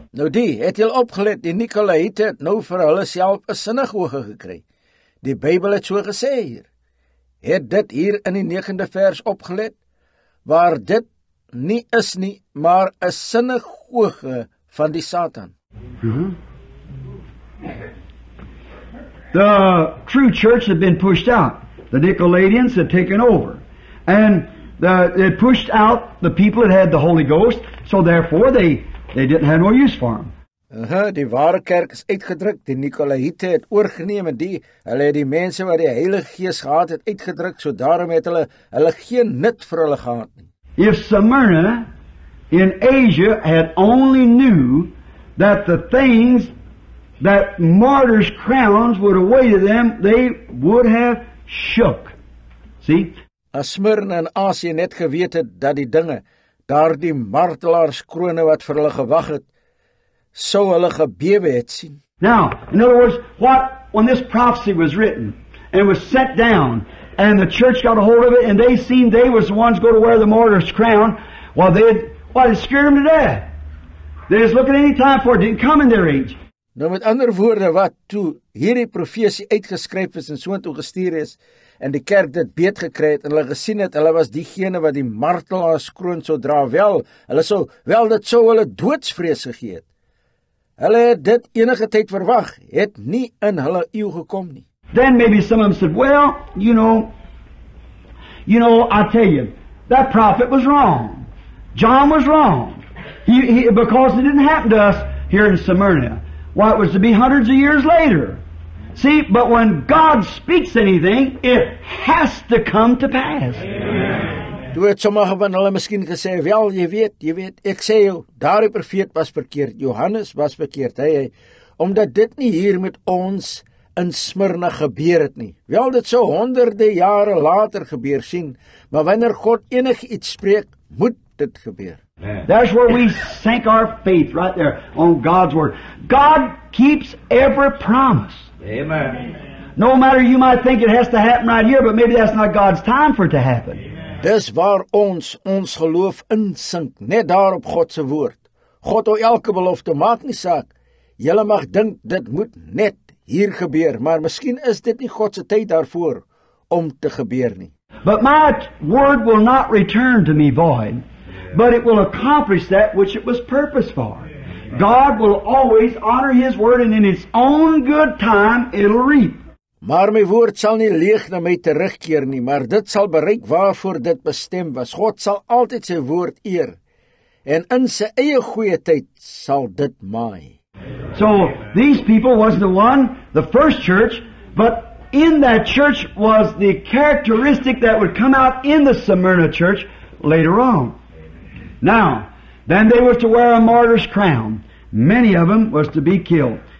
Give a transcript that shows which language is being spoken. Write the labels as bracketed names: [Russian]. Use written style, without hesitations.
[Afrikaans] Nou die, het jy opgelet, die Nicolaïte het nou vir hulle self een synagoge gekry. Die Bijbel het so gesê hier. Het dit hier in die 9de vers opgelet, waar dit nie is nie, maar een synagoge van die Satan. [English] The true church had been pushed out. The Nicolaitans had taken over. And they pushed out the people that had the Holy Ghost, so therefore they didn't have no use for them. [Afrikaans] Die ware kerk is uitgedrukt, die Nicolaïte het oorgeneem, en hulle het die mense wat die Heilige Gees gehad het uitgedrukt, so daarom het hulle geen nut vir hulle gehad. [English] If Smyrna in Asia had only knew that the things that martyrs' crowns would await them, they would have shook. See? [Afrikaans] As Smyrna in Asia net geweet het dat die dinge, daar die martelaars krone wat vir hulle gewag het, sou hulle gebewe het sien. [English] Now, in other words, when this prophecy was written and was set down and the church got a hold of it and they seen they was the ones go to wear the martyrs' crown, well, they'd scare them to death. They just look at any time for it. It didn't come in their age. [Afrikaans] Nou met andere woorden, wat toe hierdie profesie uitgeskryf is en so toe gestuur is, en die kerk dit beet gekry het, en hulle gesien het, hulle was diegene wat die martelaars kroon so dra, wel dit sou hulle doodsvrees gegee het. Hulle het dit enige tyd verwag, het nie in hulle eeuw gekom nie. [English] Then maybe some of them said, well, you know, I tell you, that prophet was wrong. John was wrong. He because it didn't happen to us here in Smyrna. Well, it was to be hundreds of years later. See, but when God speaks anything, it has to come to pass. [Afrikaans] Toe het sommige van hulle miskien gesê, wel, jy weet, ek sê jou, daardie profeet was verkeerd, Johannes was verkeerd, hy, omdat dit nie hier met ons in Smyrna gebeur het nie. Wel, dit sou honderde jare later gebeur sien, maar wanneer God enig iets spreek, moet dit gebeur. [English] Man. That's where we sink our faith, right there, on God's word. God keeps every promise. Amen. No matter, you might think it has to happen right here, but maybe that's not God's time for it to happen. [Afrikaans] Amen. Dis waar ons geloof insink, net daar op Godse woord. God hou elke belofte, maak nie saak. Julle mag dink, dit moet net hier gebeur, maar miskien is dit nie Godse tyd daarvoor om te gebeur nie. [English] But my word will not return to me void. But it will accomplish that which it was purposed for. God will always honor his word and in his own good time it'll reap. [Afrikaans] Maar my woord sal nie leeg na my terugkeer nie, maar dit sal bereik waarvoor dit bestem was. God sal altyd sy woord eer en in sy eie goeie tyd sal dit maai. [English] So these people was the one, the first church, but in that church was the characteristic that would come out in the Smyrna church later on. Now, then they were to wear a martyr's crown. Many of them was to be killed.